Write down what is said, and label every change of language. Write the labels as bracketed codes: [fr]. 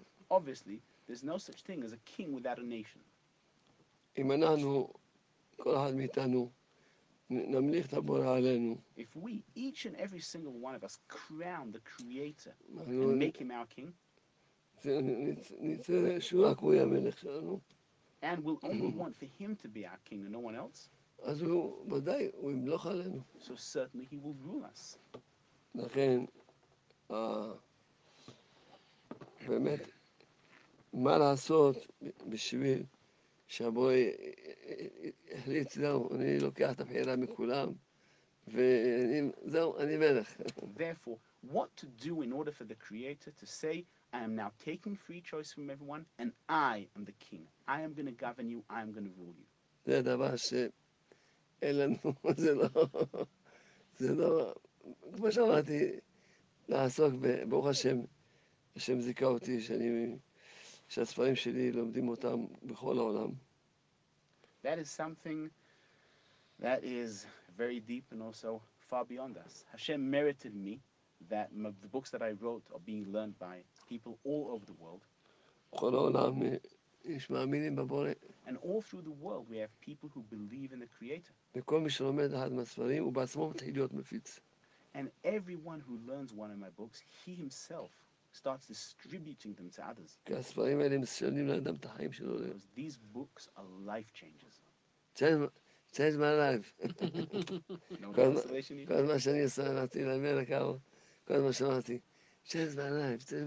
[en] Obviously, there's no such thing as a king without a nation. If we, each and every single one of us, crown the Creator and make him our king, and we'll only want for him to be our king and no one else, so certainly he will rule us. [he] לכן, באמת, מה לעשות בשביל שהבורא החליט, זהו, אני לוקח את הבחירה מכולם, וזהו, אני מלך. [en] Therefore, what to do in order for the Creator to say, I am now taking free choice from everyone, and I am the king. I am going to govern you, I am going to rule you. [he] זה הדבר שאין לנו, זה לא... כמו שאמרתי, לעסוק ברוך השם, השם זיכה אותי, שהספרים שלי לומדים אותם בכל העולם. [en] That is something that is very deep and also far beyond us. Hashem merited me that the books that I wrote are being learned by people all over the world. [he] בכל העולם יש מאמינים בבורא. [en] And all through the world we have people who believe in the Creator. [he] וכל מי שלומד אחד מהספרים הוא בעצמו מתחיל להיות מפיץ. [en] And everyone who learns one of my books, he himself starts distributing them to others. Because these books are life changers. Change my life. No translation even. Changed my life.